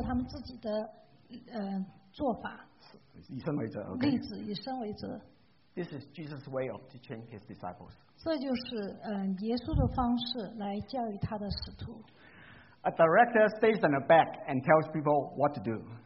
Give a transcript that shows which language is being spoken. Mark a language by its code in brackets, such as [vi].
[zh] 所以领导呢站在人们的前面来告诉人家应该怎么做，通过他们自己的做法。以身为则, okay. 例子以身为则。 [en] This is Jesus' way of teaching his disciples. [zh] 这就是耶稣的方式来教育他的使徒。 [en] A director stays in the back and tells people what to do.